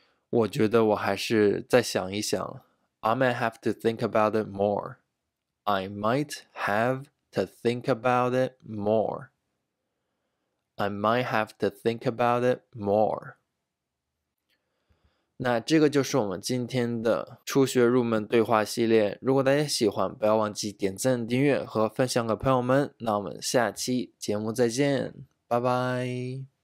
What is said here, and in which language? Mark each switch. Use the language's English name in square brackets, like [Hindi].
[Chinese] 我觉得我还是再想一想。 [English] I might have to think about it more. I might have to think about it more. I might have to think about it more. [Chinese] 那这个就是我们今天的初学入门对话系列。如果大家喜欢，不要忘记点赞、订阅和分享给朋友们。那我们下期节目再见，拜拜。